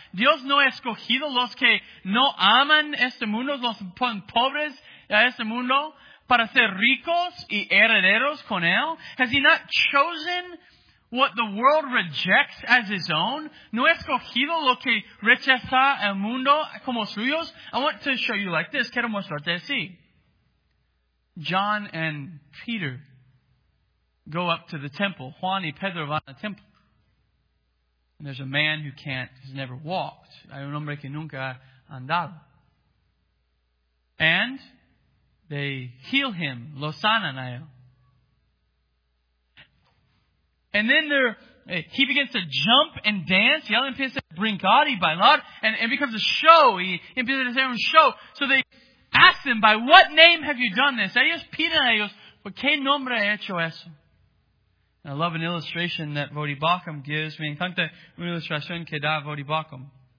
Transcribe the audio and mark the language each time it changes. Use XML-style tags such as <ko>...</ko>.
<es>¿Dios no ha escogido los que no aman este mundo, los pobres de este mundo, para ser ricos y herederos con él?</es> <en>¿Has He not chosen what the world rejects as His own?</en> <es>¿No he escogido lo que rechaza el mundo como suyos?</es> <en>I want to show you like this.</en> <es>Quiero mostrarte así.</es> <en>John and Peter go up to the temple.</en> <es>Juan y Pedro van al templo.</es> <en>And there's a man who can't, has never walked.</en> <es>Hay un hombre que nunca ha andado.</es> <en>And they heal him.</en> <es>Lo sanan a él.</es> <en>And then he begins to jump and dance.</en> <es>Y él empieza a brincar y bailar.</es> <en>And it becomes a show.</en> <es>He empieza a hacer un show.</es> <en>So they ask him, by what name have you done this?</en> <es>Ellos piden a ellos, ¿por qué nombre ha hecho eso?</es> <en>And I love an illustration that Vody Bakum gives.</en> <es>Me encanta una ilustración que da Vody Bakum.</es>